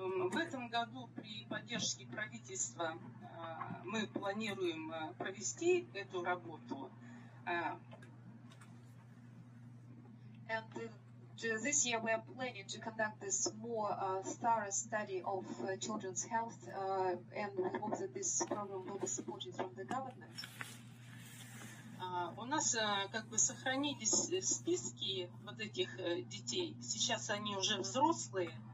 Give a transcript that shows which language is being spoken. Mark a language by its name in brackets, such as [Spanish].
[Russian] В этом году при поддержке правительства мы планируем провести эту работу. [English] And this year we are planning to conduct this more thorough study of children's health, and we hope that this program will be supported from the government. [Russian] У нас как бы сохранились списки вот этих детей. Сейчас они уже взрослые.